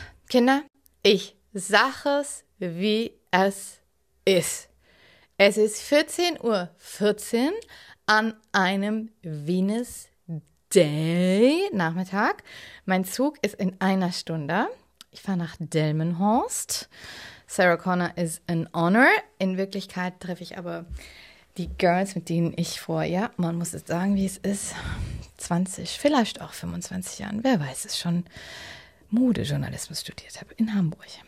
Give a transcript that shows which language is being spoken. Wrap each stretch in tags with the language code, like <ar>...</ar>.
<de>Kinder, ich sag es, wie es ist. Es ist 14.14 Uhr an einem Venus Day Nachmittag. Mein Zug ist in einer Stunde. Ich fahre nach Delmenhorst.</de> <en>Sarah Connor is an honor.</en> <de>In Wirklichkeit treffe ich aber die Girls, mit denen ich vor, ja, man muss es sagen, wie es ist, 20, vielleicht auch 25 Jahren, wer weiß es schon, Modejournalismus studiert habe in Hamburg.</de>